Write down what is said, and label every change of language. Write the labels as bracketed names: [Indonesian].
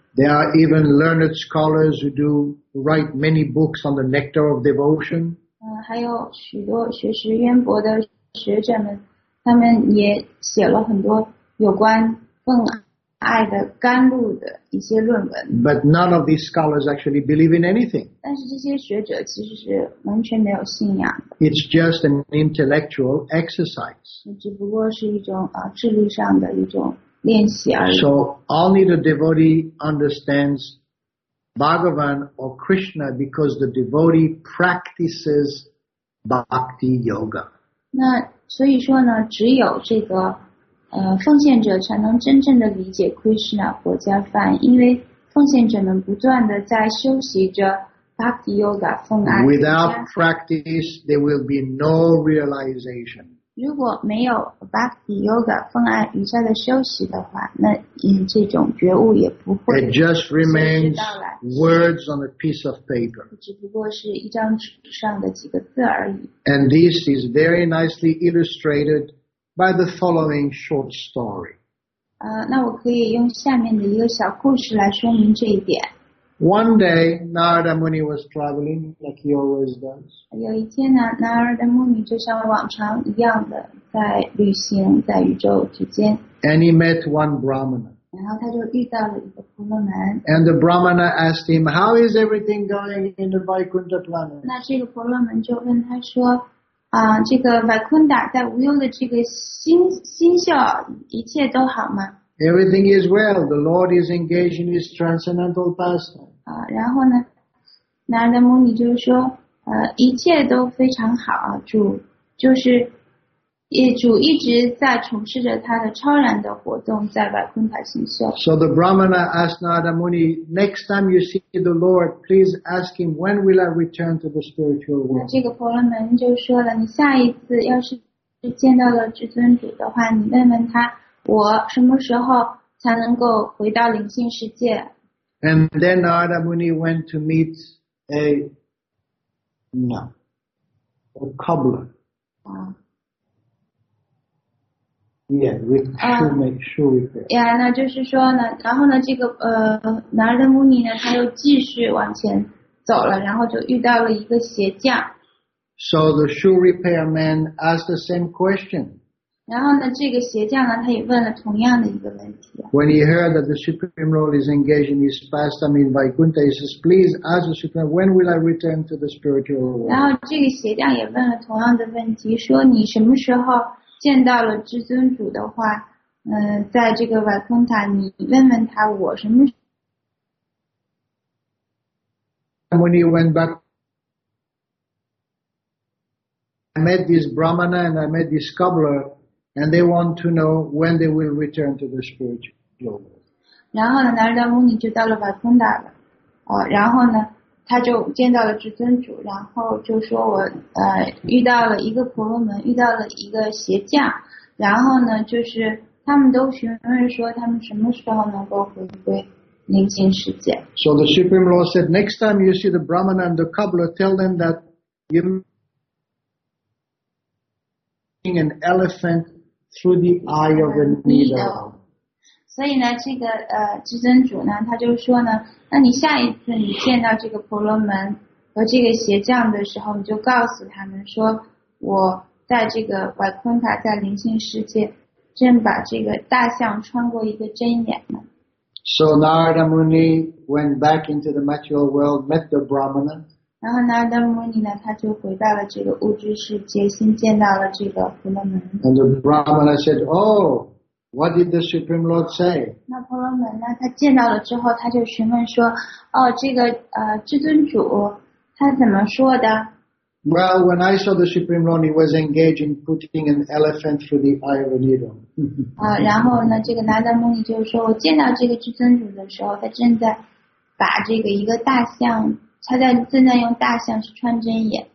[English] There are even learned scholars who do write many books on the nectar of devotion. [Chinese] 还有许多学识渊博的学者们，他们也写了很多有关更爱的甘露的一些论文。 [English] But none of these scholars actually believe in anything. [Chinese] 但是这些学者其实是完全没有信仰。 [English] It's just an intellectual exercise. [Chinese] 只不过是一种智力上的一种练习而已。 [English] So only the devotee understands Bhagavan or Krishna because the devotee practices bhakti yoga. [Chinese] 那所以说呢，只有这个奉献者才能真正的理解 Krishna 薄伽梵，因为奉献者们不断的在修习着 bhakti yoga 奉爱。 [English] Without practice, there will be no realization. [Chinese] 如果没有 Bhakti Yoga 奉爱瑜伽的休息的话，那这种觉悟也不会随时到来。 [English] It just remains words on a piece of paper. [Chinese] 只不过是一张纸上的几个字而已。 [English] And this is very nicely illustrated by the following short story. [Chinese] 那我可以用下面的一个小故事来说明这一点。 [English] One day, Narada Muni was traveling like he always does. [Chinese] 有一天呢 ，Narada Muni 就像往常一样的在旅行，在宇宙之间。 [English] And he met one Brahmana. [Chinese] 然后他就遇到了一个婆罗门。 [English] And the Brahmana asked him, "How is everything going in the Vaikuntha planet?" [Chinese] 那这个婆罗门就问他说，这个 Vaikuntha 在无忧的这个星宿，一切都好吗？ [English] Everything is well. The Lord is engaged in His transcendental pastime. [Chinese] 然后呢，那的牧尼就是说，一切都非常好，主就是，主一直在从事着他的超然的活动，在百昆塔星宿。 [English] So the Brahmana asked Narada Muni, next time you see the Lord, please ask him, when will I return to the spiritual world? [Chinese] 这个婆罗门就说了，你下一次要是见到了至尊主的话，你问问他，我什么时候才能够回到灵性世界？ [English] And then Narada Muni went to meet a cobbler. Yeah, with shoe repair. Yeah, [Chinese] 那就是说呢，然后呢，这个Narada Muni 呢，他又继续往前走了，然后就遇到了一个鞋匠。 [English] So the shoe repair man asked the same question. [Chinese] 然后呢，这个鞋匠呢，他也问了同样的一个问题。 [English] When he heard that the Supreme Lord is engaged in his pastime in Vaikuntha, he says, "Please ask the Supreme, when will I return to the spiritual world?" [Chinese] 然后这个鞋匠也问了同样的问题，说你什么时候？见到了至尊主的话，在这个瓦空塔，你问问他我什么时候。 [English] When you went back, I met this Brahmana and I met this cobbler, and they want to know when they will return to the spiritual world. [Chinese] 然后呢，南达摩尼就到了瓦空塔了，然后呢，他就见到了至尊主，然后就说我遇到了一个婆罗门，遇到了一个鞋匠，然后呢，就是他们都询问说他们什么时候能够回归灵性世界。 [English] So the Supreme Lord said, next time you see the Brahman and the cobbler, tell them that you're seeing an elephant through the eye of a needle. [Chinese] 所以呢，这个至尊主呢，他就说呢。那你下一次你见到这个婆罗门和这个鞋匠的时候，你就告诉他们说，我在这个瓦昆塔在灵性世界，正把这个大象穿过一个针眼呢。 [English] So Narada Muni went back into the material world, met the Brahmana. [Chinese] 然后 Narada Muni 呢，他就回到了这个物质世界，先见到了这个婆罗门。 [English] And the Brahmana said, "Oh." What did the Supreme Lord say? [Chinese] 那婆罗门呢？他见到了之后，他就询问说：“哦，这个至尊主他怎么说的？” [English] Well, when I saw the Supreme Lord, he was engaged in putting an elephant through the eye of a needle. [Chinese] 然后呢，这个南达摩尼就是说，我见到这个至尊主的时候，他正在把这个一个大象，他正在用大象去穿针眼。